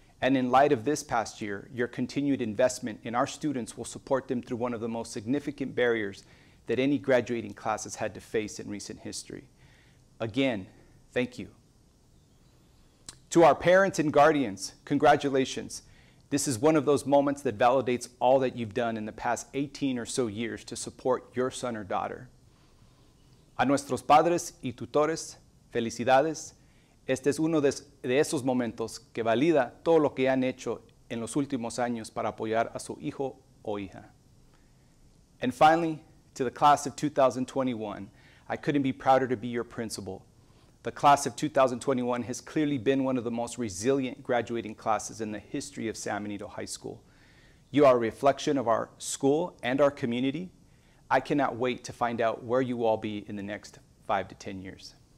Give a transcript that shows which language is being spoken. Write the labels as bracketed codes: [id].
[en] And in light of this past year, your continued investment in our students will support them through one of the most significant barriers that any graduating class has had to face in recent history. Again, thank you. To our parents and guardians, congratulations. This is one of those moments that validates all that you've done in the past 18 or so years to support your son or daughter. [es] A nuestros padres y tutores, felicidades. Este es uno de esos momentos que valida todo lo que han hecho en los últimos años para apoyar a su hijo o hija. [en] And finally, to the class of 2021, I couldn't be prouder to be your principal. The class of 2021 has clearly been one of the most resilient graduating classes in the history of San Benito High School. You are a reflection of our school and our community. I cannot wait to find out where you all be in the next 5 to 10 years.